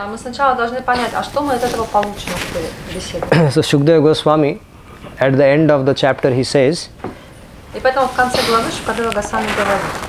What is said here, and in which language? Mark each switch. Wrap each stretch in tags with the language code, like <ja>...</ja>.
<ru>Мы сначала должны понять, а что мы от этого получим в беседе.</ru> <en>So Shukdeva Goswami, at the end of the chapter, he says.</en> <ru>И поэтому в конце главы Шукадева Госвами говорит.</ru>